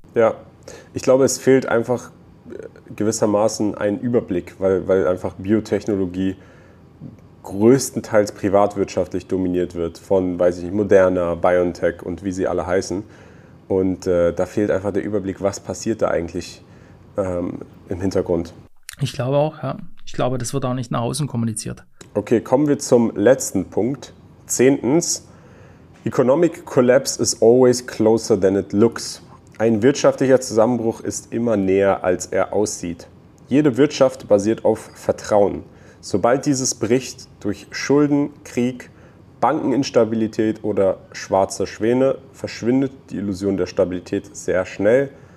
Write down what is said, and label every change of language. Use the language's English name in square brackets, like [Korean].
[German] Ja, ich glaube, es fehlt einfach gewissermaßen ein Überblick, weil einfach Biotechnologie größtenteils privatwirtschaftlich dominiert wird von, weiß ich nicht, Moderna, BioNTech und wie sie alle heißen. Und da fehlt einfach der Überblick, was passiert da eigentlich im Hintergrund. Ich glaube auch, ja. Ich glaube, das wird auch nicht nach außen kommuniziert. Okay, kommen wir zum letzten Punkt. Zehntens, [English] Economic Collapse is always closer than it looks. [German] Ein wirtschaftlicher Zusammenbruch ist immer näher, als er aussieht. Jede Wirtschaft basiert auf Vertrauen. Sobald dieses bricht, durch Schulden, Krieg, Bankeninstabilität oder schwarze Schwäne, verschwindet die Illusion der Stabilität sehr schnell.